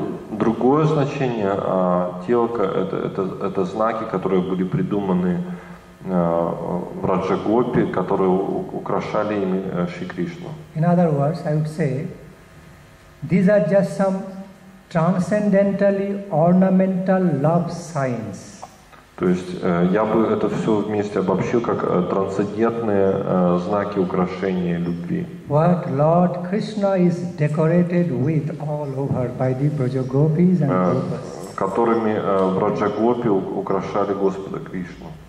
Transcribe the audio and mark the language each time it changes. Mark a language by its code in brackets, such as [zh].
[ru] Другое значение тилака это знаки, которые были придуманы в Раджа-гопи, которые украшали ими Шри Кришну. [en] In other words, I would say, these are just some transcendentally ornamental love signs. [ru] То есть я бы это все вместе обобщил как трансцендентные знаки украшения любви. [en] What Lord Krishna is decorated with all over by the Brajagopis and Gopas. [ru] Которыми в Раджа-гопи украшали Господа Кришну.